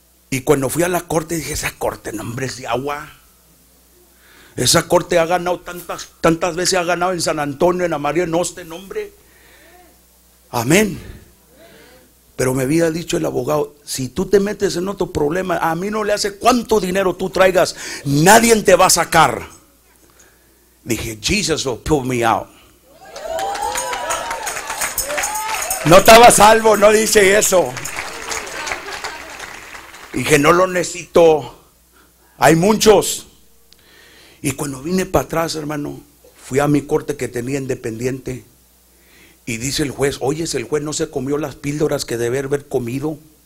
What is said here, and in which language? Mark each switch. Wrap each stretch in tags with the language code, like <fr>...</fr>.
<es>Y cuando fui a la corte, dije, esa corte, nombre es de agua. Esa corte ha ganado tantas veces, ha ganado en San Antonio, en Amarillo, en Austin, nombre. Amén. Pero me había dicho el abogado, si tú te metes en otro problema, a mí no le hace cuánto dinero tú traigas, nadie te va a sacar. Dije,</es> <en>Jesus will pull me out.</en> <es>No estaba salvo, no dice eso. Dije, no lo necesito, hay muchos. Y cuando vine para atrás, hermano, fui a mi corte que tenía independiente. Y dice el juez, oye, el juez no se comió las píldoras que debe haber comido.</es>